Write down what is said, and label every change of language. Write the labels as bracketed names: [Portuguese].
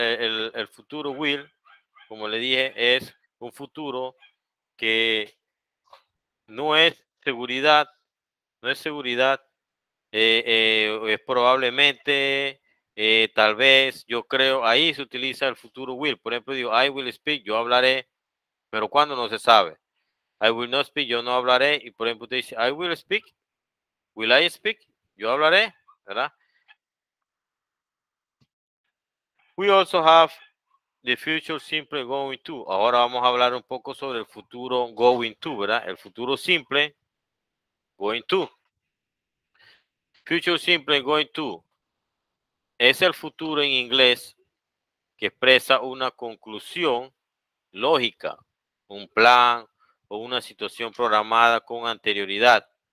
[Spanish] El futuro will, como le dije, es un futuro que no es seguridad, no es seguridad, es probablemente, tal vez, yo creo, ahí se utiliza el futuro will. Por ejemplo, digo, [English] I will speak, [Spanish] yo hablaré, pero ¿cuándo? No se sabe. [English] I will not speak, [Spanish] yo no hablaré. Y por ejemplo, usted dice, [English] I will speak, will I speak, [Spanish] yo hablaré, ¿verdad? [English] We also have the future simple going to. [Spanish] Ahora vamos a hablar un poco sobre el futuro going to, ¿verdad? El futuro simple going to. Future simple going to es el futuro en inglés que expresa una conclusión lógica, un plan o una situación programada con anterioridad.